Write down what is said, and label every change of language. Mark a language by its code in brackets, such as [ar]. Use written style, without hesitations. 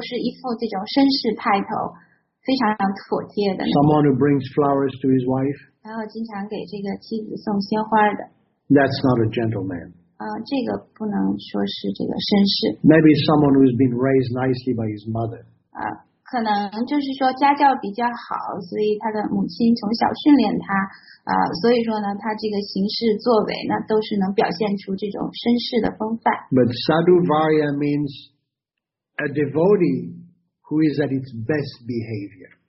[zh] 然后呢，这个行为这个举止呢，都非常这个妥，就是非常的合适，非怎么说呢？就是说行为啊，举止啊，都是一副这种绅士派头。 [en] Someone who brings flowers to his wife. [zh] 然后经常给这个妻子送鲜花的。 [en] That's not a gentleman. [zh] 这个不能说是这个绅士。 [en] Maybe someone who's been raised nicely by his mother. [zh] 可能就是说家教比较好，所以他的母亲从小训练他，所以说呢，他这个行事作为呢，都是能表现出这种绅士的风范。 [en] But sadhu varya means a devotee who is at its best behavior.